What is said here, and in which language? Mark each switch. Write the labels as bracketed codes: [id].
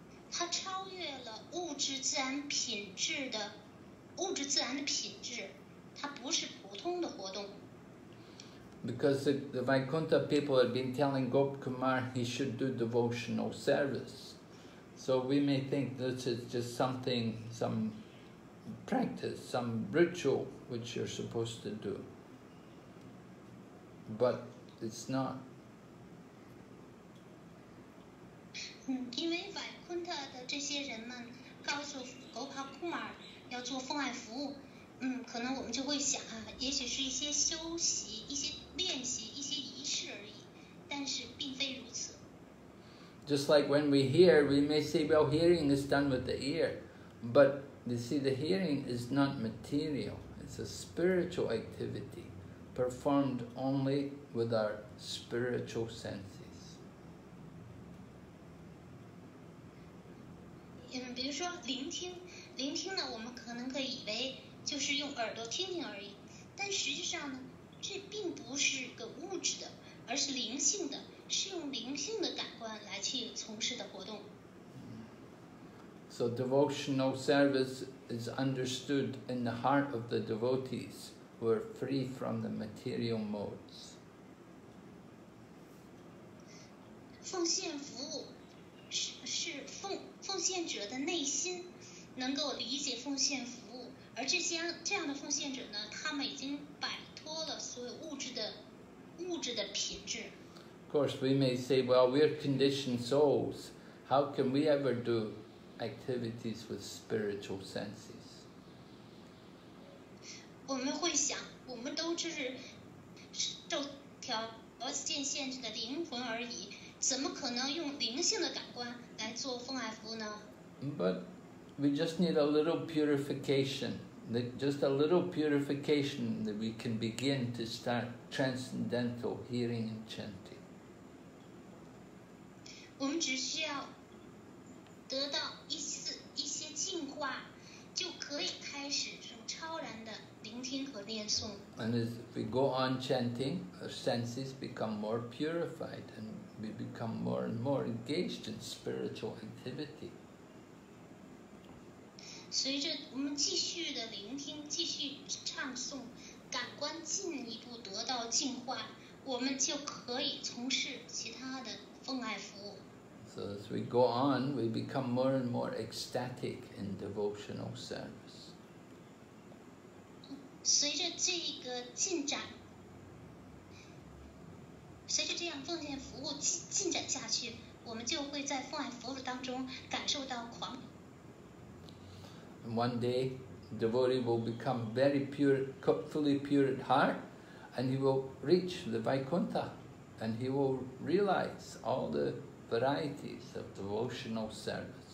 [zh] 它超越了物质自然品质的。物质自然的品质，它不是普通的活动。 [en] Because the Vaikuntha people have been telling Gop Kumar he should do devotional service, so we may think this is just something, some practice, some ritual which you're supposed to do, but it's not. [zh] 因为 Vaikuntha 的这些人们告诉 Gopa Kumar。要做奉爱服务，可能我们就会想啊，也许是一些休息、一些练习、一些仪式而已，但是并非如此。 [en] Just like when we hear, we may say, well, hearing is done with the ear, but you see, the hearing is not material; it's a spiritual activity performed only with our spiritual senses. [zh] 比如说聆听。聆听呢，我们可能可以以为就是用耳朵听听而已，但实际上呢，这并不是个物质的，而是灵性的，是用灵性的感官来去从事的活动。 [en] So devotional service is understood in the heart of the devotees who are free from the material modes. [zh] 奉献服务是奉献者的内心。能够理解奉献服务，而这样的奉献者呢，他们已经摆脱了所有物质的品质。 [en] Of course, we may say, well, we're conditioned souls. How can we ever do activities with spiritual senses? [zh] 我们会想，我们都只是受条件限制的灵魂而已，怎么可能用灵性的感官来做奉爱服务呢 [en] ？But We just need a little purification, just a little purification that we can begin to start transcendental hearing and chanting. [zh] 我们只需要得到一些净化，就可以开始超然的聆听和念诵。 [en] And as we go on chanting, our senses become more purified, and we become more and more engaged in spiritual activity. [zh] 随着我们继续的聆听，继续唱诵，感官进一步得到净化，我们就可以从事其他的奉爱服务。 [en] So as we go on, we become more and more ecstatic in devotional service. [zh] 随着这个进展，随着这样奉献服务进展下去，我们就会在奉爱服务当中感受到狂。 [en] And one day, devotee will become very pure, fully pure at heart, and he will reach the Vaikuntha, and he will realize all the varieties of devotional service.